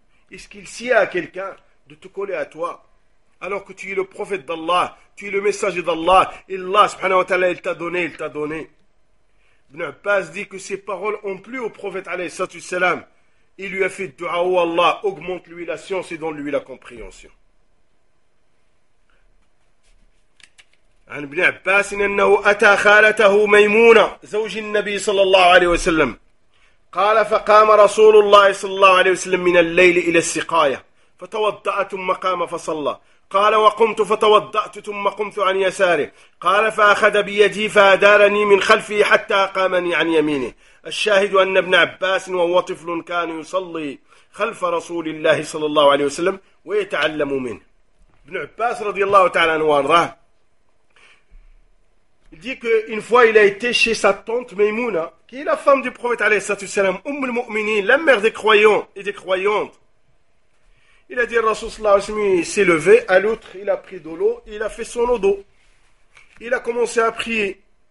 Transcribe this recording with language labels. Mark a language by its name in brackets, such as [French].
[French] Est-ce qu'il sied à quelqu'un de te coller à toi alors que tu es le prophète d'Allah, tu es le messager d'Allah, et Allah, [Arabic] subhanahu wa ta'ala, [French] il t'a donné. Ibn Abbas dit que ces paroles ont plu au prophète, [Arabic] alayhi salatu wassalam. [French] Il lui a fait dua, oh Allah, augmente-lui la science et donne-lui la compréhension. [Arabic] عن ابن عباس أنه أتى خالته ميمونة زوج النبي صلى الله عليه وسلم قال فقام رسول الله صلى الله عليه وسلم من الليل إلى السقاية فتوضأ ثم قام فصلى قال وقمت فتوضأت ثم قمت عن يساره قال فأخذ بيدي فأدارني من خلفي حتى قامني عن يمينه الشاهد أن ابن عباس وهو طفل كان يصلي خلف رسول الله صلى الله عليه وسلم ويتعلم منه ابن عباس رضي الله تعالى عنه وارضاه. [French] Il dit qu'une fois, il a été chez sa tante Maymouna, qui est la femme du prophète, [Arabic] alayhi salatu wassalam, [French] Umm al-Mu'minin, la mère des croyants et des croyantes. Il a dit, Rasoul [Arabic] sallallahu alayhi wa sallam, [French] il s'est levé, à l'autre, il a pris de l'eau, et il a fait son eau d'eau. Il a commencé à prier.